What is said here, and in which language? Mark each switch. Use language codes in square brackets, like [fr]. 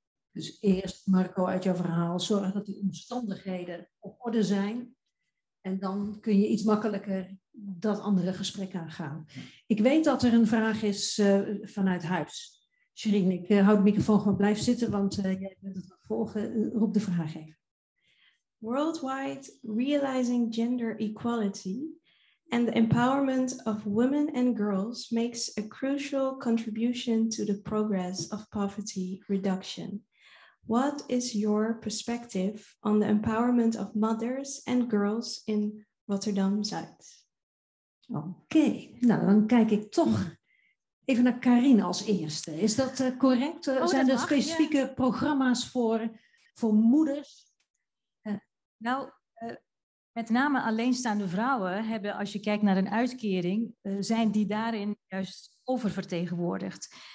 [nl] Dus eerst, Marco, uit jouw verhaal, zorg dat die omstandigheden op orde zijn... en dan kun je iets makkelijker dat andere gesprek aangaan. Ik weet dat er een vraag is vanuit huis. Shirin, ik houd de microfoon gewoon, blijf zitten, want jij bent het volgen. Roep de vraag even. [en] Worldwide, realizing gender equality and the empowerment of women and girls makes a crucial contribution to the progress of poverty reduction. What is your perspective on the empowerment of mothers and girls in Rotterdam Zuid? Oké, okay. [nl] Nou dan kijk ik toch even naar Karin als eerste. Is dat correct? Oh, zijn dat er mag, specifieke ja. programma's voor moeders? Nou, met name alleenstaande vrouwen hebben, als je kijkt naar een uitkering, zijn die daarin juist oververtegenwoordigd.